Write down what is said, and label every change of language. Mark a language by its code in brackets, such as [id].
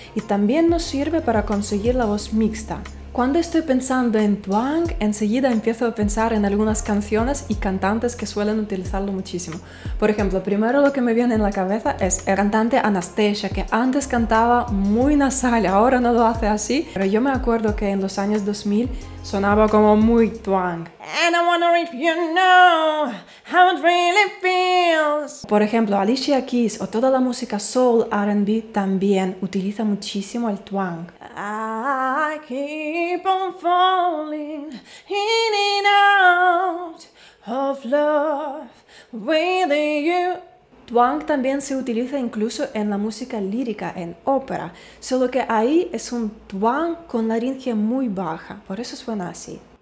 [es] Y también nos sirve para conseguir la voz mixta. Cuando estoy pensando en twang, enseguida empiezo a pensar en algunas canciones y cantantes que suelen utilizarlo muchísimo. Por ejemplo, primero lo que me viene en la cabeza es el cantante Anastasia, que antes cantaba muy nasal, ahora no lo hace así, pero yo me acuerdo que en los años 2000 sonaba como muy twang. [en] And I wonder if you know how it really feels. [es] Por ejemplo, Alicia Keys o toda la música soul R&B también utiliza muchísimo el twang. [en] I keep on falling in and out of love with you. [es] Twang también se utiliza incluso en la música lírica, en ópera, solo que ahí es un twang con laringe muy baja, por eso suena así.